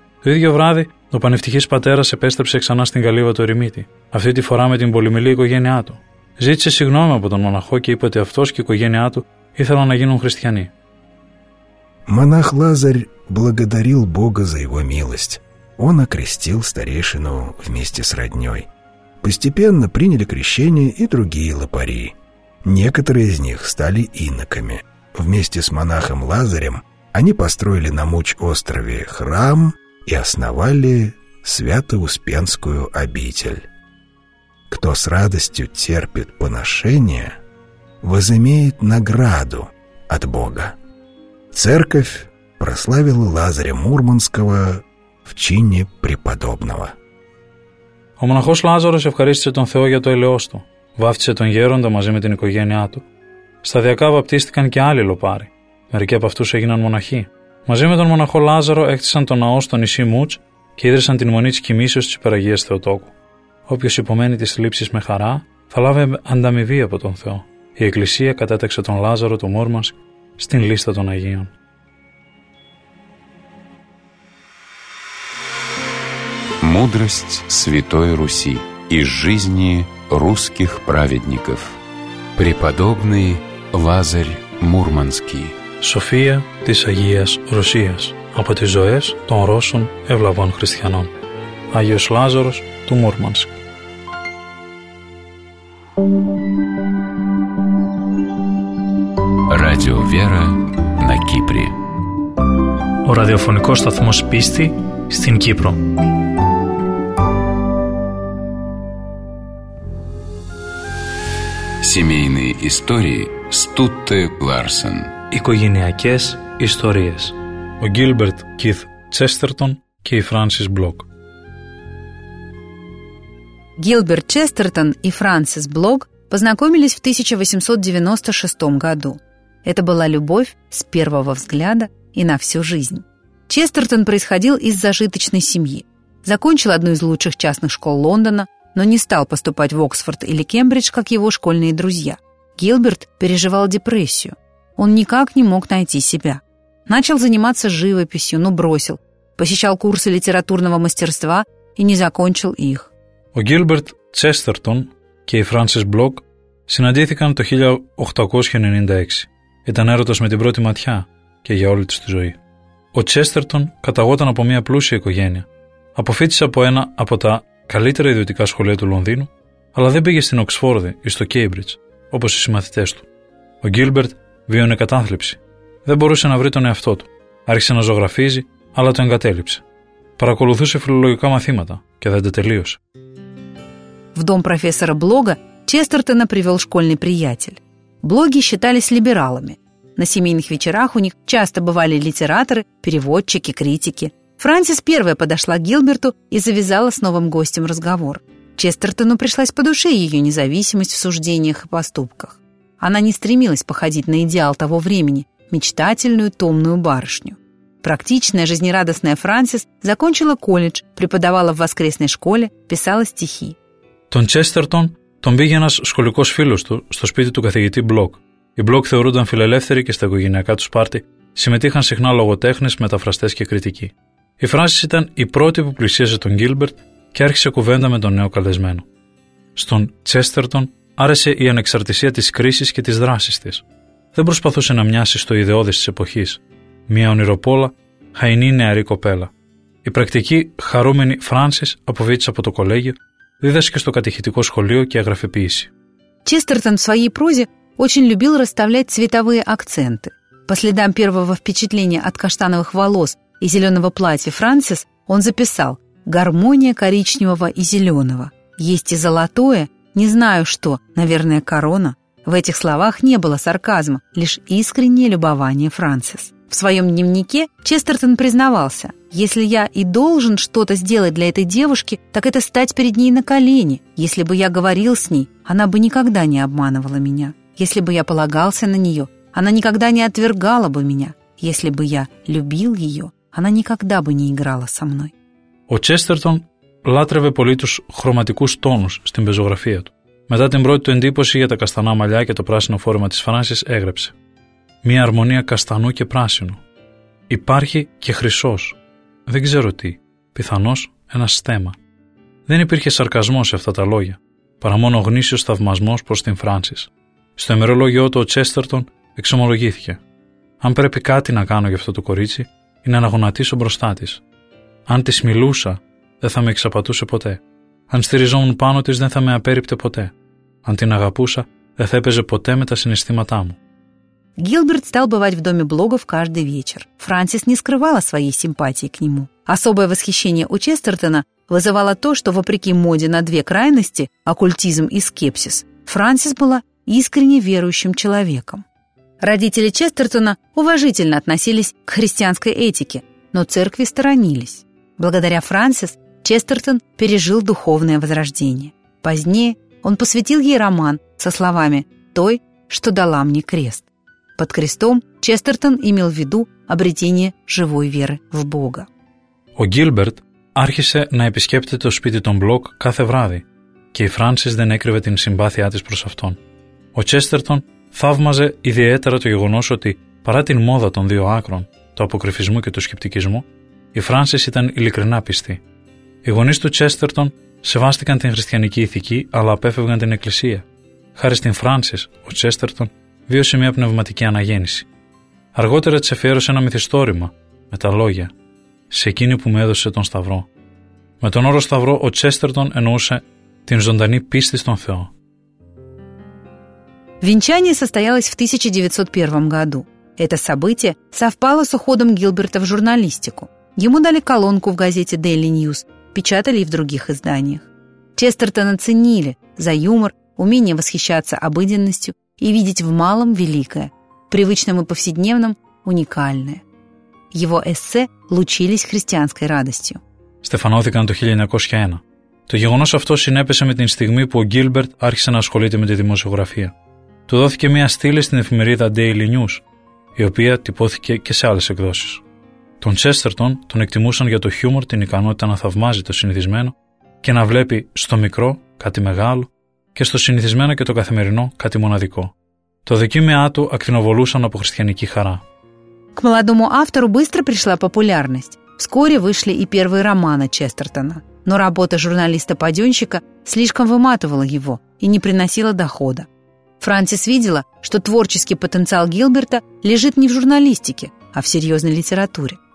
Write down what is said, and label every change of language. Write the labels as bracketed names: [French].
[Greek] Το ίδιο βράδυ, ο πανευτυχής πατέρας επέστρεψε ξανά στην καλύβα του ερημίτη, αυτή τη φορά με την πολυμελή οικογένειά του. Ζήτησε συγγνώμη από τον μοναχό και είπε ότι αυτός και η οικογένειά του ήθελαν να γίνουν χριστιανοί. [Russian] Монах Лазарь благодарил Бога за его милость. Он окрестил старейшину вместе с роднёй. Постепенно приняли крещение и другие лопари. Некоторые из них стали иноками. Вместе с монахом Лазарем они построили на Муч-острове храм и основали Свято-Успенскую обитель. Кто с радостью терпит поношение, возымеет награду от Бога. Церковь прославила Лазаря Мурманского в чине преподобного. [Greek] Ο μοναχός Λάζαρος ευχαρίστησε τον Θεό για το ελαιός του. Βάφτισε τον γέροντα μαζί με την οικογένειά του. Σταδιακά βαπτίστηκαν και άλλοι λοπάροι. Μερικοί από αυτούς έγιναν μοναχοί. Μαζί με τον μοναχό Λάζαρο έκτισαν τον ναό στο νησί Μούτς και ίδρυσαν την μονή της κοιμήσεως της υπεραγίας Θεοτόκου. Όποιος υπομένει τις θλίψεις με χαρά θα λάβει ανταμοιβή από τον Θεό. Η Εκκλησία κατέταξε τον Λάζαρο του Μούρμανσκ στην λίστα των Αγίων. [Russian] Мудрость Святой Руси из жизни русских праведников. Преподобный Лазарь Мурманский. [Greek] София της Агίας Ρωσίας. Από τις ζωές των Ρώσων ευλαβών χριστιανών. Άγιος Λάζαρος του Μούρμανσκ. [Russian] Радио Вера на Кипре. [Greek] Ο ραδιοφωνικός σταθμός πίστη στην Κύπρο. [Russian] Семейные истории Стутте Ларсен. [Greek] Οικογενειακές ιστορίες. Ο Γκίλμπερτ Κίθ Τσέστερτον και η Φράνσις Μπλοκ. Γκίλμπερτ Τσέστερτον και η Φράνσις Μπλοκ [Russian] познакомились в 1896 году. Это была любовь с первого взгляда и на всю жизнь. Честертон происходил из зажиточной семьи. Закончил одну из лучших частных школ Лондона, но не стал поступать в Оксфорд или Кембридж, как его школьные друзья. Гилберт переживал депрессию. Он никак не мог найти себя. Начал заниматься живописью, но бросил. Посещал курсы литературного мастерства и не закончил их. [Greek] О Гилберт Честертон и Фрэнсис Блок συναντήθηκαν το 1896. Ήταν έρωτος με την πρώτη ματιά και για όλη τους τη ζωή. Ο Τσέστερτον καταγόταν από μια πλούσια οικογένεια. Αποφύτησε από ένα από τα καλύτερα ιδιωτικά σχολεία του Λονδίνου, αλλά δεν πήγε στην Οξφόρδη ή στο Κέιμπριτζ, όπως οι συμμαθητές του. Ο Γκίλμπερτ βίωνε κατάθλιψη. Δεν μπορούσε να βρει τον εαυτό του. Άρχισε να ζωγραφίζει, αλλά το εγκατέλειψε. Παρακολουθούσε φιλολογικά μαθήματα και δεν τα τελείωσε. [Russian] В дом профессора Блога Честертона привел школьный приятель. Блоги считались либералами. На семейных вечерах у них часто бывали литераторы, переводчики, критики. Фрэнсис первая подошла к Гилберту и завязала с новым гостем разговор. Честертону пришлась по душе ее независимость в суждениях и поступках. Она не стремилась походить на идеал того времени – мечтательную, томную барышню. Практичная, жизнерадостная Фрэнсис закончила колледж, преподавала в воскресной школе, писала стихи. [Greek] Тон Честертон τον πήγε ένας σχολικός φίλος του στο σπίτι του καθηγητή Μπλοκ. Οι Μπλοκ θεωρούνταν φιλελεύθεροι και στα οικογενειακά τους πάρτι συμμετείχαν συχνά λογοτέχνες, μεταφραστές και κριτικοί. Η Φράνσις ήταν η πρώτη που πλησίαζε τον Γκίλμπερτ και άρχισε κουβέντα με τον νέο καλεσμένο. Στον Τσέστερτον άρεσε η ανεξαρτησία της κρίσης και της δράσης της. Δεν προσπαθούσε να μοιάσει στο ιδεώδες της εποχής. Μια ονειροπόλα, χαϊνή νεαρή κοπέλα. Η πρακτική, χαρούμενη Φράνσις αποφύτησε από το κολέγιο, δίδασκε στο κατηχητικό σχολείο και έγραφε ποιήση. [Russian] Τσέστερτον, в своей прозе, очень любил расставлять цветовые акценты. По следам первого впечатления от каштановых волос и зеленого платья Фрэнсис, он записал «Гармония коричневого и зеленого». «Есть и золотое, не знаю что, наверное, корона». В этих словах не было сарказма, лишь искреннее любование Фрэнсис. В своем дневнике Честертон признавался: «Если я и должен что-то сделать для этой девушки, так это стать перед ней на колени. Если бы я говорил с ней, она бы никогда не обманывала меня. Если бы я полагался на нее, она никогда не отвергала бы меня. Если бы я любил ее, она никогда бы не играла со мной». [Greek] Ο Τσέστερτον λάτρευε πολύ τους χρωματικούς τόνους στην πεζογραφία του. Μετά την πρώτη του εντύπωση για τα καστανά μαλλιά και το πράσινο φόρεμα της Φράνσις έγραψε: «Μια αρμονία καστανού και πράσινου. Υπάρχει και χρυσός. Δεν ξέρω τι. Πιθανώς ένα στέμα». Δεν υπήρχε σαρκασμός σε αυτά τα λόγια, παρά μόνο ο γνήσιος θαυμασμός προς την Φράνσις. Στο ημερολόγιο του ο Τσέστερτον εξομολογήθηκε: «Αν πρέπει κάτι να κάνω για αυτό το κορίτσι, είναι να γονατίσω μπροστά της. Αν της μιλούσα, δεν θα με εξαπατούσε ποτέ. Αν στηριζόμουν πάνω της, δεν θα με απέρριπτε ποτέ. Αν την αγαπούσα, δεν θα έπαιζε ποτέ με τα συναισθήματά μου». [Russian] Гилберт стал бывать в доме Блогов каждый вечер. Фрэнсис не скрывала своей симпатии к нему. Особое восхищение у Честертона вызывало то, что, вопреки моде на две крайности – оккультизм и скепсис – Фрэнсис была искренне верующим человеком. Родители Честертона уважительно относились к христианской этике, но церкви сторонились. Благодаря Фрэнсис Честертон пережил духовное возрождение. Позднее он посвятил ей роман со словами «Той, что дала мне крест». Под крестом Честертон имел в виду обретение живой веры в Бога. [Greek] Ο Γκίλμπερτ άρχισε να επισκέπτεται το σπίτι των Μπλοκ κάθε βράδυ και η Φράνσις δεν έκρυβε την συμπάθειά της προς αυτόν. Ο Τσέστερτον θαύμαζε ιδιαίτερα το γεγονός ότι, παρά την μόδα των δύο άκρων, του αποκρυφισμού και του σκεπτικισμού, η Φράνσις ήταν ειλικρινά πιστή. Οι γονείς του Τσέστερτον σεβάστηκαν την χριστιανική ηθική αλλά απέφευγαν την Εκκλησία. Χάρη στην Φράνσις, ο Τσέστερτον βίωσε μια πνευματική αναγέννηση. Αργότερα της αφιέρωσε ένα μυθιστόρημα με τα λόγια «Σε εκείνη που με έδωσε τον Σταυρό». Με τον όρο Σταυρό ο Τσέστερτον εννοούσε την ζωντανή πίστη στον Θεό. [Russian] Венчание состоялось в 1901 году. Это событие совпало с уходом Гилберта в журналистику. Ему дали колонку в газете Daily News, печатали и в других изданиях. Честертона ценили за юмор, умение восхищаться обыденностью и видеть в малом великое, привычном и повседневном уникальное. Его эссе лучились христианской радостью. [Greek] Стефанодикан то 1901. То γεγονός αυτό συνέπεσε με την στιγμή που ο Γκίλμπερτ άρχισε να ασχολείται με τη δημοσιογραφία. Του δόθηκε μια στήλη στην εφημερίδα Daily News, η οποία τυπώθηκε και σε άλλες εκδόσεις. Τον Τσέστερτον τον εκτιμούσαν για το χιούμορ, την ικανότητα να θαυμάζει το συνηθισμένο και να βλέπει στο μικρό κάτι μεγάλο και στο συνηθισμένο και το καθημερινό κάτι μοναδικό. Το δοκίμιά του ακτινοβολούσαν από χριστιανική χαρά. [Russian] К молодому автору быстро пришла популярность. Вскоре вышли и первые романы Честертона. Но работа журналиста-подёнщика слишком выматывала его и не приносила дохода. Фрэнсис видела, что творческий потенциал Гилберта лежит не в журналистике, а в серьезной литературе.